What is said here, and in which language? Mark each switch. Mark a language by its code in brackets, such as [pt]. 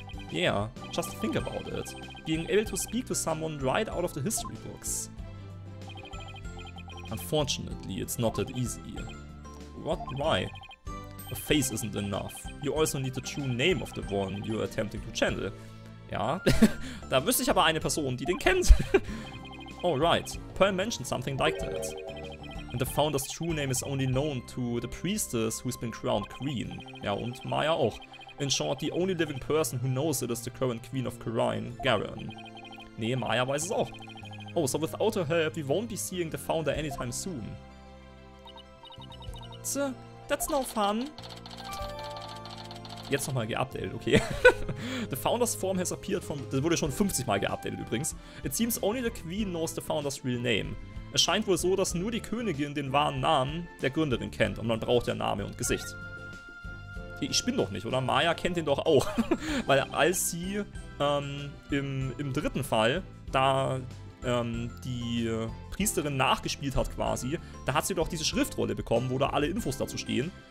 [en] Yeah, just think about it. Being able to speak to someone right out of the history books. Unfortunately, it's not that easy. What? Why? A face isn't enough. You also need the true name of the one you're attempting to channel. [de] Ja, da wüsste ich aber eine Person, die den kennt. [en] Oh, right. Pearl mentioned something like that. And the founder's true name is only known to the priestess who's been crowned queen. [de] Ja, und Maya auch. [en] In short, the only living person who knows it is the current queen of Corrine, Garen. [de] Nee, Maya weiß es auch. [en] Oh, so without her help, we won't be seeing the founder anytime soon. So, that's no fun. [de] Jetzt nochmal geupdatet, okay. [en] The founder's form has appeared from... [de] Das wurde schon 50 mal geupdatet übrigens. [en] It seems only the queen knows the founder's real name. [de] Es scheint wohl so, dass nur die Königin den wahren Namen der Gründerin kennt und man braucht ja Name und Gesicht. Ich bin doch nicht, oder? Maya kennt den doch auch. Weil als sie im dritten Fall da die Priesterin nachgespielt hat quasi, da hat sie doch diese Schriftrolle bekommen, wo da alle Infos dazu stehen.